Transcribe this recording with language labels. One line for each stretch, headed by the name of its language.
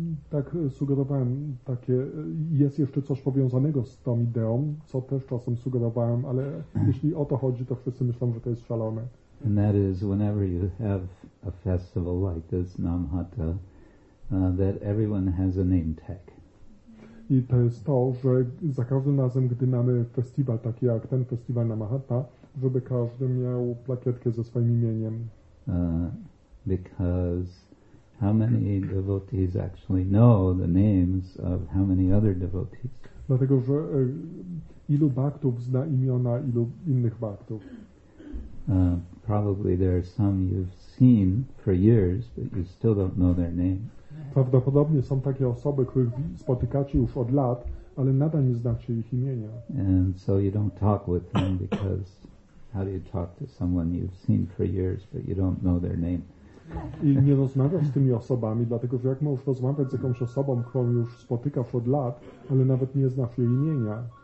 Polish: Tak sugerowałem takie, jest jeszcze coś powiązanego z tą ideą, co też czasem sugerowałem, ale jeśli o to chodzi, to wszyscy myślą, że to jest szalone.
English: And that is whenever you have a festival like this, Namhata, that everyone has a name tag.
Polish: I to jest to, że za każdym razem, gdy mamy festiwal taki jak ten festiwal Namhata, żeby każdy miał plakietkę ze swoim imieniem.
English: Because how many devotees actually know the names of how many other devotees?
Polish: Dlatego, że ilu bhaktów zna imiona ilu innych bhaktów?
English: Probably there are some you've seen for years, but you still don't know their name.
Polish: Prawdopodobnie są takie osoby, których spotykacie już od lat, ale nadal nie znacie ich imienia.
English: And so you don't talk with them, because how do you talk to someone you've seen for years, but you don't know their name?
Polish: I nie rozmawiasz z tymi osobami, dlatego że jak możesz rozmawiać z jakąś osobą, którą już spotykasz od lat, ale nawet nie znasz jej imienia.